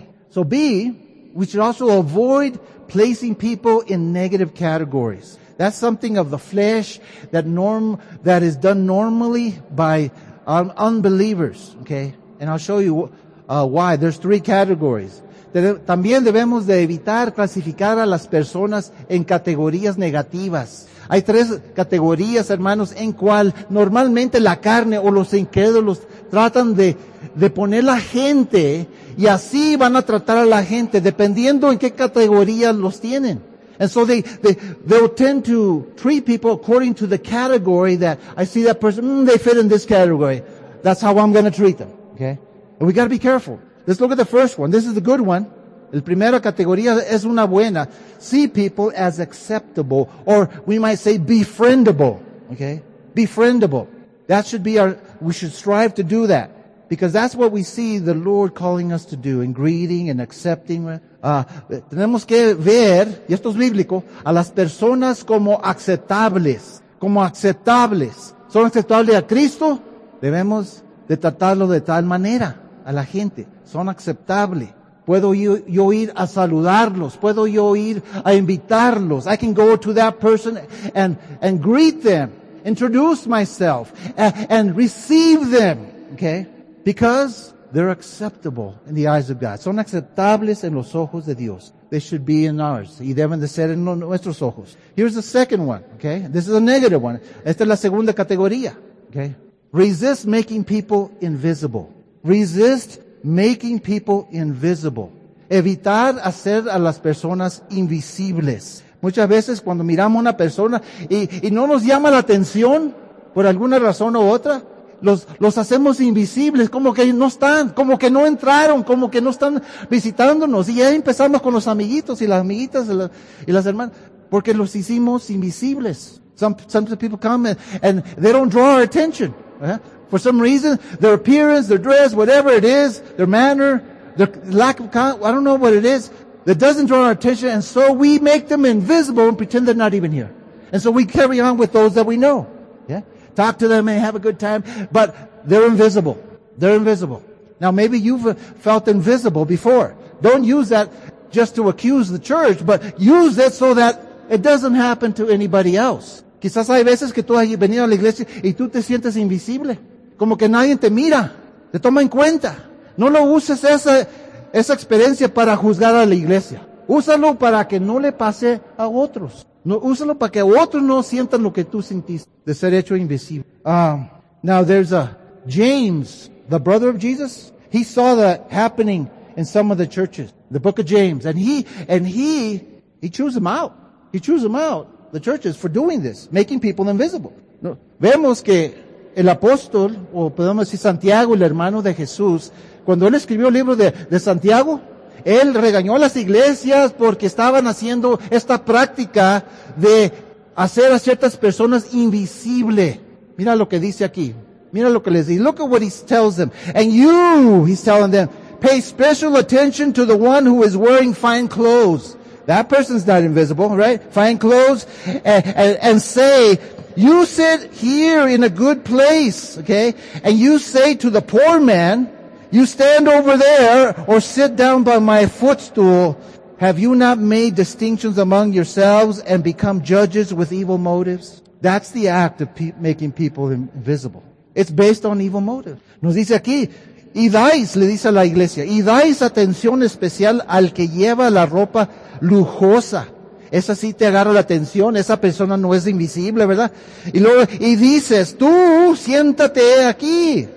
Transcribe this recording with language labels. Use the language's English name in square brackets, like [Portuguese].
[English] So B, we should also avoid placing people in negative categories. That's something of the flesh that is done normally by unbelievers, okay? And I'll show you why. There's three categories. [Spanish] También debemos de evitar clasificar a las personas en categorías negativas. Hay tres categorías, hermanos, en cual normalmente la carne o los incrédulos tratan de poner la gente, y así van a tratar a la gente dependiendo en qué categoría los tienen. [English] And so they'll tend to treat people according to the category that I see that person, they fit in this category. That's how I'm going to treat them. Okay? And we got to be careful. Let's look at the first one. This is the good one. [Spanish] El primera categoría es una buena. [English] See people as acceptable, or we might say befriendable. Okay? Befriendable. That should be we should strive to do that. Because that's what we see the Lord calling us to do in greeting and accepting. [Spanish] Tenemos que ver, y esto es bíblico, a las personas como aceptables. Como aceptables. ¿Son aceptables a Cristo? Debemos de tratarlo de tal manera. A la gente, son aceptables. Puedo yo ir a saludarlos, puedo yo ir a invitarlos. [English] I can go to that person and greet them, introduce myself, and receive them, okay? Because they're acceptable in the eyes of God. [Spanish] Son aceptables en los ojos de Dios. [English] They should be in ours. [Spanish] Y deben de ser en nuestros ojos. [English] Here's the second one, okay? This is a negative one. [Spanish] Esta es la segunda categoría, okay? [English] Resist making people invisible. Resist making people invisible. [Spanish] Evitar hacer a las personas invisibles. Muchas veces cuando miramos a una persona y no nos llama la atención por alguna razón u otra, los hacemos invisibles, como que no están, como que no entraron, como que no están visitándonos. Y ya empezamos con los amiguitos y las amiguitas y las hermanas, porque los hicimos invisibles. [English] Some people come and they don't draw our attention. For some reason, their appearance, their dress, whatever it is, their manner, their lack of confidence, I don't know what it is, that doesn't draw our attention, and so we make them invisible and pretend they're not even here. And so we carry on with those that we know. Yeah? Talk to them and have a good time, but they're invisible. They're invisible. Now maybe you've felt invisible before. Don't use that just to accuse the church, but use it so that it doesn't happen to anybody else. [Spanish] Quizás hay veces que tú has venido a la iglesia y tú te sientes invisible. Como que nadie te mira, te toma en cuenta. No lo uses esa experiencia para juzgar a la iglesia. Úsalo para que no le pase a otros. No, úsalo para que otros no sientan lo que tú sentiste, de ser hecho invisible. [English] Now there's a James, the brother of Jesus. He saw that happening in some of the churches, the book of James. And he chews them out. He chews them out, the churches, for doing this, making people invisible. [Spanish] No. Vemos que el apóstol, o podemos decir Santiago, el hermano de Jesús, cuando él escribió el libro de Santiago, él regañó a las iglesias porque estaban haciendo esta práctica de hacer a ciertas personas invisible. Mira lo que dice aquí. Mira lo que les dice. [English] Look at what he tells them. And you, he's telling them, pay special attention to the one who is wearing fine clothes. That person's not invisible, right? Fine clothes. And say, you sit here in a good place, okay? And you say to the poor man, you stand over there or sit down by my footstool. Have you not made distinctions among yourselves and become judges with evil motives? That's the act of making people invisible. It's based on evil motive. [Spanish] Nos dice aquí, y dais, le dice a la iglesia, y dais atención especial al que lleva la ropa lujosa. Esa sí te agarra la atención, esa persona no es invisible, ¿verdad? Y luego, y dices, tú, siéntate aquí.